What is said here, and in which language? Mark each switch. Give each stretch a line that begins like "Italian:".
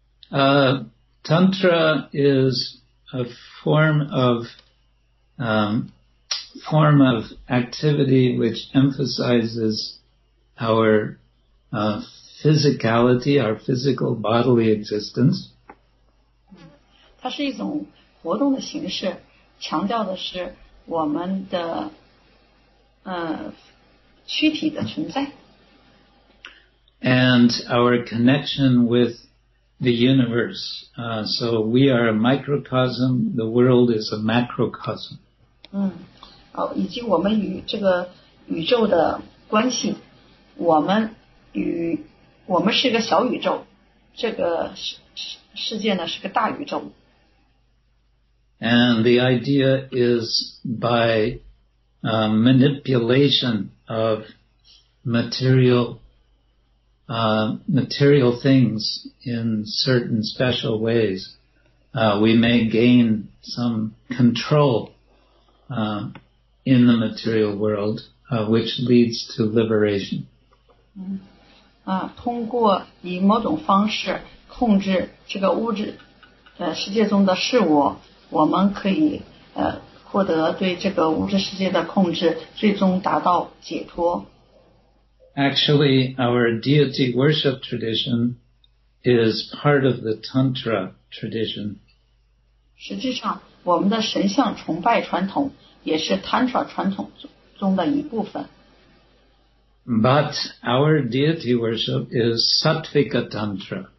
English: Tantra is a form of activity which emphasizes our physicality, our physical bodily existence.
Chinese: 它是一种活动的形式，强调的是我们的躯体的存在。
English: And our connection with the universe. So we are a microcosm, the world is a macrocosm.
Chinese: 以及我们与这个宇宙的关系，我们是一个小宇宙，这个世界呢是个大宇宙。
English: And the idea is by manipulation of material things in certain special ways, we may gain some control in the material world, which leads to liberation.
Chinese: 通过以某种方式控制这个物质世界中的事物，我们可以获得对这个物质世界的控制，最终达到解脱。
English: Actually, our deity worship tradition is part of the Tantra tradition.
Chinese: 实际上，我们的神像崇拜传统也是 Tantra 传统中的一部分。
English: But our deity worship is Sattvika Tantra.